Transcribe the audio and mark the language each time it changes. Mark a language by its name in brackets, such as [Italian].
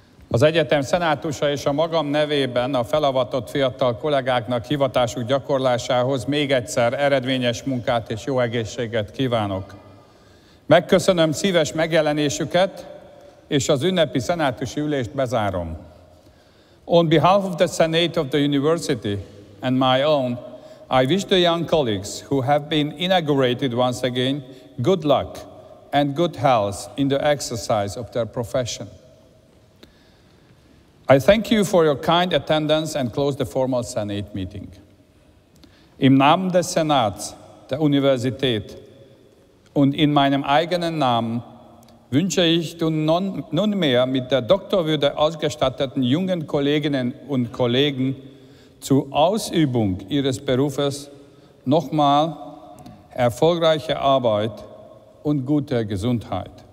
[Hungarian] Az egyetem szenátusa és a magam nevében a felavatott fiatal kollégáknak hivatásuk gyakorlásához még egyszer eredményes munkát és jó egészséget kívánok. Megköszönöm szíves megjelenésüket, és az ünnepi szenátusi ülést bezárom. [English] On behalf of the Senate of the University and my own, I wish the young colleagues who have been inaugurated once again good luck and good health in the exercise of their profession. I thank you for your kind attendance and close the formal Senate meeting. [German] Im Namen des Senats der Universität und in meinem eigenen Namen wünsche ich nunmehr mit der Doktorwürde ausgestatteten jungen Kolleginnen und Kollegen zur Ausübung ihres Berufes nochmal erfolgreiche Arbeit und gute Gesundheit.